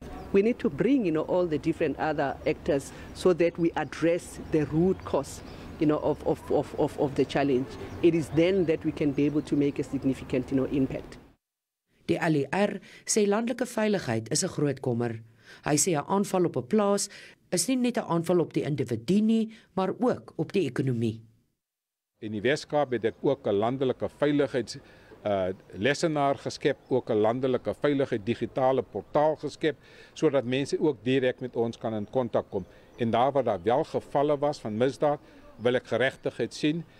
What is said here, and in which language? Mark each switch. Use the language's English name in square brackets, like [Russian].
[English] We need to bring, you know, all the different other actors so that we address the root cause, you know, of the challenge. It is then that we can be able to make a significant, you know, impact. [Afrikaans] Die LER sê landelike veiligheid is 'n groot kommer. Hy sê 'n aanval op 'n plaas is nie net 'n aanval op die individu nie, maar ook op die ekonomie. In die Weskaap het ek ook 'n landelike veiligheids lesenaar geskep, ook 'n landelike veiligheid digitale portaal geskep sodat mense ook direk met ons kan in kontak kom. En daar waar daar wel gevalle was van misdaad, wil ek geregtigheid sien.